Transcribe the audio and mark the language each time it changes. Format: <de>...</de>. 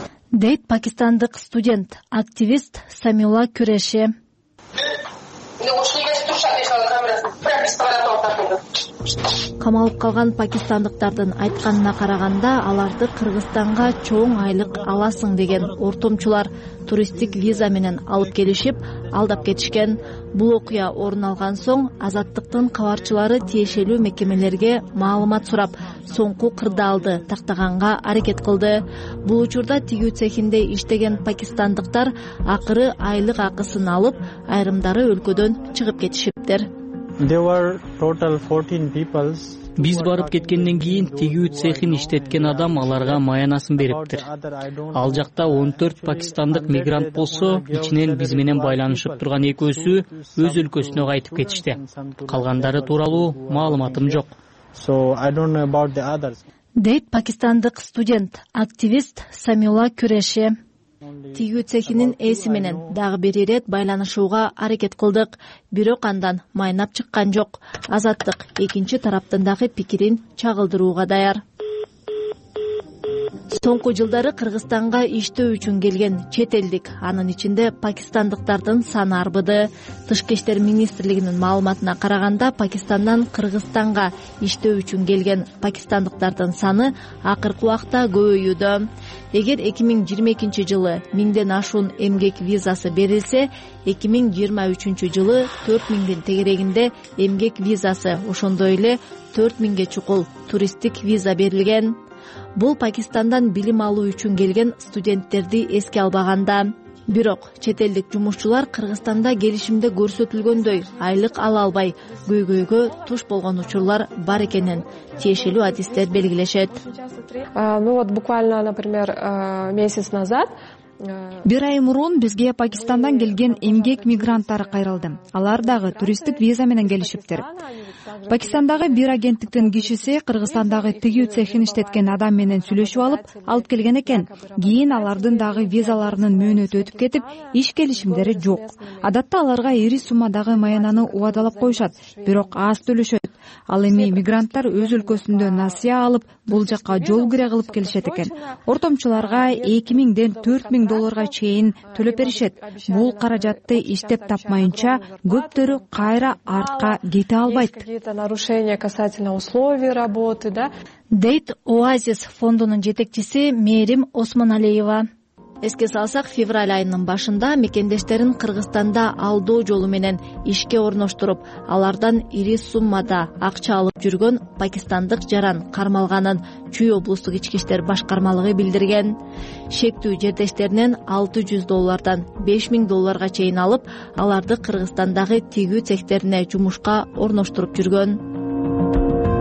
<ky>Дейт пакистандык студент, активист Самилла Күрэши. Камалып калган пакистандыктардын айтканына караганда, аларды Кыргызстанга чоң айлык аласың деген ортомчулар туристтик виза менен алып келишип, алдап кетишкен. Бул окуя орун алган соң, азаттыктын кабарчылары тиешелүү мекемелерге маалымат сурап, соңку кырдаалды тактаганга аракет кылды. Бул учурда тигүү цехинде иштеген пакистандыктар акыры айлык акысын алып, айрымдары өлкөдөн чыгып кетишиптер.</ky> <en>There were total 14 people.</en> <ky>Биз барып кеткенден кийин тигүү цехин иштеткен адам аларга маянасын бериптир. Ал жакта 14 пакистандык мигрант болсо, ичинен биз менен байланышып турган экөөсү өз өлкөсүнө кайтып кетишти. Калгандары тууралуу маалыматым жок.</ky> <en>So I don't know about the others.</en> <ky>Дейт пакистандык студент, активист Самилла Күрэши. Тигүү цехинин ээси менен дагы бир ирет байланышууга аракет кылдык, бирок андан майнап чыккан жок. Азаттык экинчи тараптын дагы пикирин чагылдырууга даяр. Соңку жылдары Кыргызстанга иштөө үчүн келген чет элдик, анын ичинде пакистандыктардын саны арбыды. Тышкы иштер министрлигинин маалыматына караганда, Пакистандан Кыргызстанга иштөө үчүн келген пакистандыктардын саны акыркы убакта көбөйүүдө. Эгер 2022 жылы 1000 ашуун эмгек визасы берилсе, 2023 жылы 4000 тегерегинде эмгек визасы, ошондой эле 4000 чукул туристтик виза берилген. Бул Пакистандан билим алуу үчүн келген студенттерди эске албаганда. Бирок чет элдик жумушчулар Кыргызстанда келишимде көрсөтүлгөндөй айлык ала албай көйгөйгө туш болгон учурлар бар экенин тиешелүү адистер белгилешет.</ky> <ru>Буквально, например, месяц назад.</ru> <ky>Бир ай мурун бизге Пакистандан келген эмгек мигранттары кайрылды. Алар дагы туристтик виза менен келишиптир. Пакистандагы бир агенттиктин кишиси Кыргызстандагы тигүү цехин иштеткен адам менен сүйлөшүп алып, алып келген экен. Кийин алардын дагы визаларынын мөөнөтү өтүп кетип, иш келишимдери жок. Адатта аларга ири суммадагы маянаны убадалап коюшат, бирок аз төлөшөт. Ал эми мигранттар өз өлкөсүндө насыя алып, бул жакка жол кире кылып келишет экен. Ортомчуларга 2000 4000 долларга чейин төлөп беришет. Бул каражатты иштеп тапмайынча көптөрү кайра артка кете албайт.</ky> <ru>Это нарушение касательно условий работы, да?</ru> <ky>Дейт Оазис фондунун жетекчиси Мэрим Осмоналиева. Эске салсак, февраль айынын башында мекендештерин Кыргызстанда алдоо жолу менен ишке орноштуруп, алардан ири суммада акча алып жүргөн пакистандык жаран кармалганын Чүй облустук ички иштер башкармалыгы билдирген. Шектүү жердештеринен 600 доллардан 5000 долларга чейин алып, аларды Кыргызстандагы тигүү цехтерине жумушка орноштуруп жүргөн.</ky>